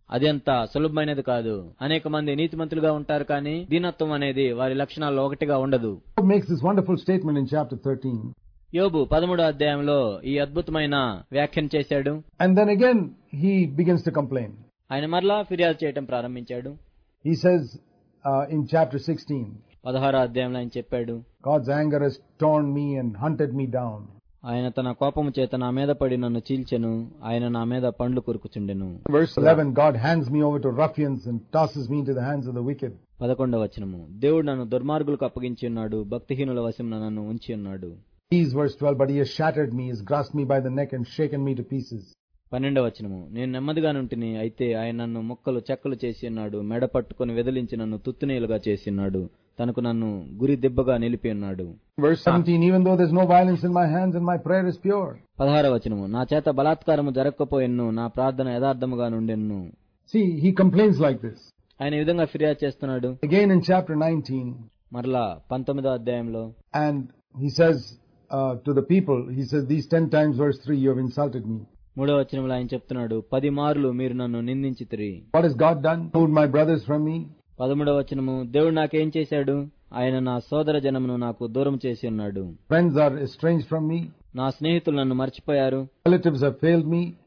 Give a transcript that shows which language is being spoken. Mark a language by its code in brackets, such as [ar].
[te] అదంత సులభమైనది కాదు. అనేక మంది నీతిమంతులుగా ఉంటారు, కానీ దీనత్వం అనేది వారి లక్షణాల్లో ఒకటిగా ఉండదు. [en] God makes this wonderful statement in chapter 13. [te] యోబు 13వ అధ్యాయంలో ఈ అద్భుతమైన వ్యాఖ్యం చేశాడు. [en] And then again he begins to complain. [te] ఆయన మరలా ఫిర్యాదు చేయడం ప్రారంభించాడు. [en] He says in chapter 16. [te] 16వ అధ్యాయంలో ఆయన చెప్పాడు. [en] God's anger has torn me and hunted me down. [te] ఆయన తన కోపము చేత నా మీద పడి నన్ను చీల్చెను, ఆయన నా మీద పండ్లు కొరుకుచుండెను. [en] Verse 11, God hands me over to ruffians and tosses me into the hands of the wicked. [te] 11వ వచనము. దేవుడు నన్ను దుర్మార్గులకు అప్పగించి ఉన్నాడు, భక్తిహీనుల వశమున నన్ను ఉంచి ఉన్నాడు. [en] These verse 12, but he has shattered me, he has grasped me by the neck and shaken me to pieces. [te] 12వ వచనము. నేను నెమ్మదిగా ఉంటిని, అయితే ఆయన నన్ను ముక్కలు చెక్కలు చేసి ఉన్నాడు, మెడ పట్టుకుని వెదిలించి నన్ను తుత్తునీలుగా చేసి ఉన్నాడు, తనకు నన్ను గురి దెబ్బగా నిలిపి ఉన్నాడు. [en] Verse 17, even though there's no violence in my hands and my prayer is pure. [te] 16వ వచనము. నా చేత బలాత్కారము జరగకపోయెను, నా ప్రార్థన యథార్థముగా నుండెను. [en] See, he complains like this. [te] ఆయన ఈ విధంగా ఫిర్యాదు చేస్తున్నాడు. [en] Again in chapter 19. [te] మరలా 19వ అధ్యాయంలో. [en] And he says to the people, he says these 10 times, verse 3, you have insulted me. [te] 3వ వచనములో ఆయన చెప్తున్నాడు, 10 మార్లు మీరు నన్ను నిందించితిరి. [en] What has God done? Pulled my brothers from me. [te] 13వ వచనము. దేవుడు నాకేం చేశాడు? ఆయన నా సోదర జనమును నాకు దూరం చేసి ఉన్నాడు. [en] Friends are estranged from me. [te] నా స్నేహితులు నన్ను మర్చిపోయారు. [en] Relatives have failed me.